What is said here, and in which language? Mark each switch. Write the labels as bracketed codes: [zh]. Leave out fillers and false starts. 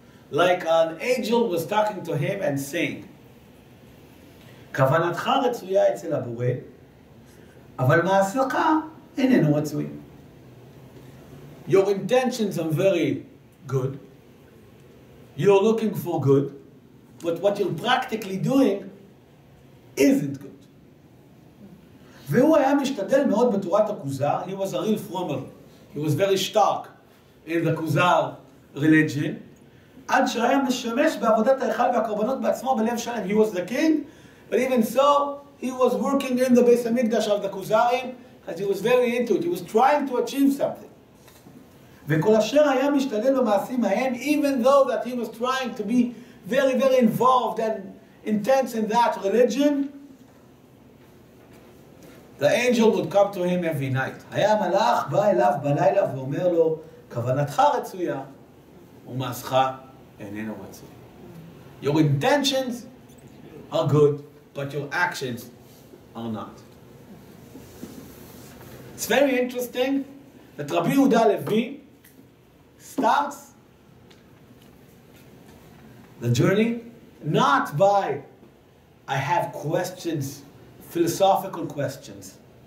[en] Like an angel was talking to him and saying, [he] כוונתך רצויה אצל הבורא, אבל מעשיך איננו רצוי. [en] Your intentions are very good. You're looking for good, but what you're practically doing isn't good. [he] והוא היה משתדל מאוד בתורת הכוזר. [en] He was a real frommer. He was very stark in the Kuzar religion. [he] עד שהיה משמש בעבודת ההיכל והקורבנות בעצמו בלב שלם. [en] He was the king. But even so, he was working in the Beis HaMikdash of the Kuzarim because he was very into it. He was trying to achieve something. [he] וכל אשר היה משתדל במעשים ההם, [en] even though that he was trying to be very, very involved and intense in that religion, the angel would come to him every night. [he] היה מלאך בא אליו בלילה ואומר לו, כוונתך רצויה ומעשך איננו רצוי. [en] Your intentions are good. But your actions are not. It's very interesting that Rabbi Yehuda HaLevi starts the journey not by I have questions, philosophical questions.